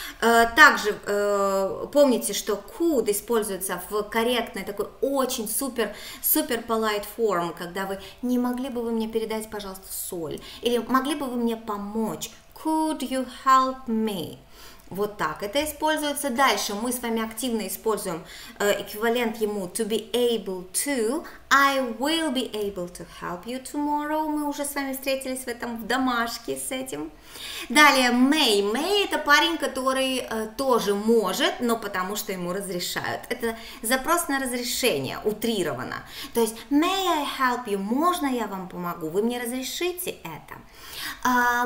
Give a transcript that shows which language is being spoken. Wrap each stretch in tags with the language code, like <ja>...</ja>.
<ru>Также помните, что could используется в корректной, такой очень супер polite form, когда вы не могли бы вы мне передать, пожалуйста, соль, или могли бы вы мне помочь,</ru> <en>could you help me?</en> <ru>Вот так это используется. Дальше мы с вами активно используем эквивалент ему to be able to.</ru> <en>I will be able to help you tomorrow.</en> <ru>Мы уже с вами встретились в этом в домашке с этим. Далее may. May это парень, который тоже может, но потому что ему разрешают. Это запрос на разрешение, утрировано. То есть</ru> <en>may I help you?</en> <ru>Можно я вам помогу? Вы мне разрешите это?</ru>